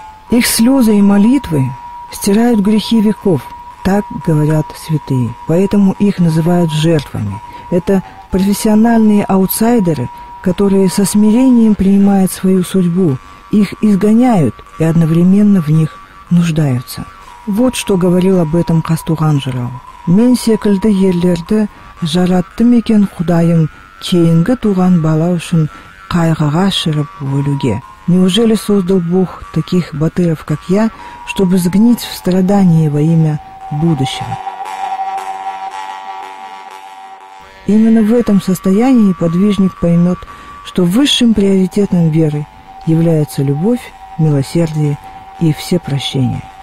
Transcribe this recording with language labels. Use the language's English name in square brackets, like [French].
[Russian] Их слезы и молитвы стирают грехи веков, так говорят святые, поэтому их называют жертвами. Это профессиональные аутсайдеры, которые со смирением принимают свою судьбу, их изгоняют и одновременно в них нуждаются. Вот что говорил об этом Кастуган Жырау. [Kazakh] «Мен секілді ерлерді жараттым екен Худайым, кейінгі туған бала үшін қайғыға шырып өлуге». [Russian] Неужели создал Бог таких батыров, как я, чтобы сгнить в страдании во имя будущего? Именно в этом состоянии подвижник поймет, что высшим приоритетом веры является любовь, милосердие и всепрощение.